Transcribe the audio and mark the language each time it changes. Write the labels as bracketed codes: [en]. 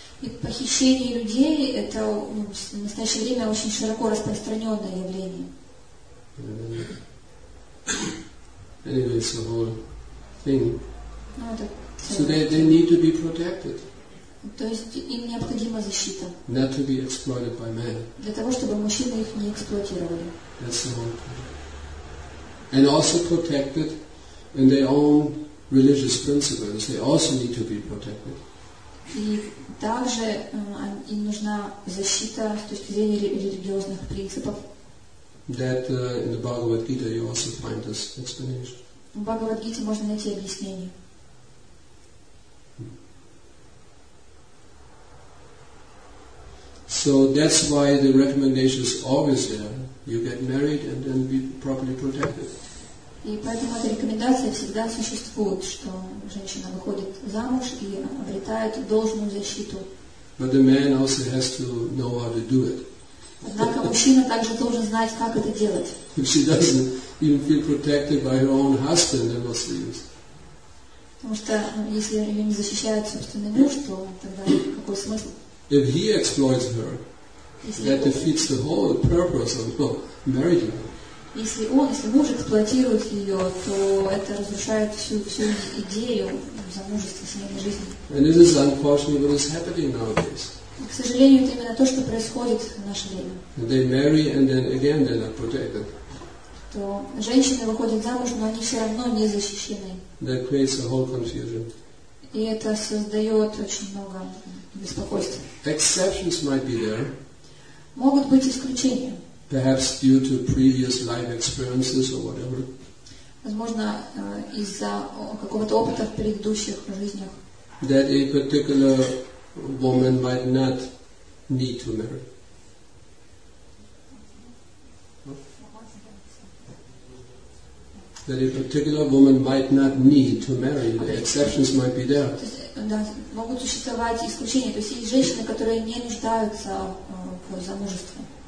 [ru] И похищение людей – это в настоящее время очень широко распространенное явление. [en] Anyway, it's a whole thing. So they need to be protected. [ru] То есть им необходима защита. [en] Not to be exploited by men. [ru] Для того, чтобы мужчины их не эксплуатировали. [en] That's the whole thing. And also protected in their own religious principles. They also need to be protected. [ru] И также им нужна защита с точки зрения религиозных принципов. [en] That in the Bhagavad Gita you also find this explanation. [ru] В Бхагавад Гите можно найти объяснение. [en] So that's why the recommendation is always there. You get married and then be properly protected. [ru] И поэтому эта рекомендация всегда существует, что женщина выходит замуж и обретает должную защиту. [en] But the man also has to know how to do it. [ru] Однако мужчина также должен знать, как это делать. [en] If she doesn't even feel protected by her own husband, then what's the use? [ru] Потому что если ее не защищает собственный муж, то тогда какой смысл? [en] If he exploits her, that defeats the whole purpose of marrying her. [ru] Если муж эксплуатирует ее, то это разрушает всю идею замужества, семейной жизни. [en] And this is unfortunately what is happening nowadays. [ru] К сожалению, это именно то, что происходит в наше время. [en] They marry and then again they're not protected. [ru] То женщины выходят замуж, но они все равно не защищены. [en] That creates a whole confusion. [ru] И это создает очень много беспокойства. [en] Exceptions might be there. [ru] Могут быть исключения. [en] Perhaps due to previous life experiences or whatever. [ru] Возможно, из-за какого-то опыта в предыдущих жизнях. [en] That a particular woman might not need to marry. That a particular woman might not need to marry. The exceptions might be there. [ru] Да, могут существовать исключения. То есть есть женщины, которые не нуждаются в замужестве.